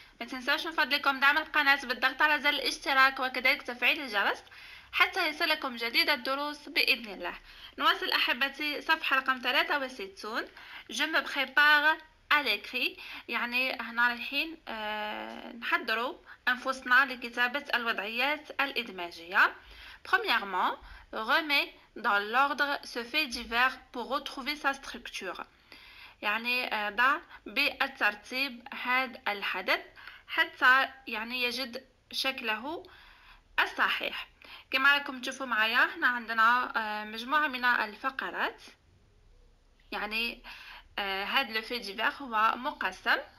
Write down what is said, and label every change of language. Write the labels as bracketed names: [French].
[Arabic] ما تنساوش من فضلكم دعم القناة بالضغط على زر الاشتراك وكذلك تفعيل الجرس حتى يصلكم جديد الدروس بإذن الله. نواصل أحبتي صفحة رقم 63، [French] je me prépare à l'écrit، [Arabic] يعني هنا الحين نحضروا أنفسنا لكتابة الوضعيات الإدماجية. [French] Premièrement, remets dans l'ordre ce fait divers pour retrouver sa structure. [Arabic] يعني ضع بالترتيب هذا الحدث حتى يعني يجد شكله الصحيح. كما راكم تشوفوا معايا هنا عندنا مجموعة من الفقرات، يعني هذا لو في ديفير هو مقسم.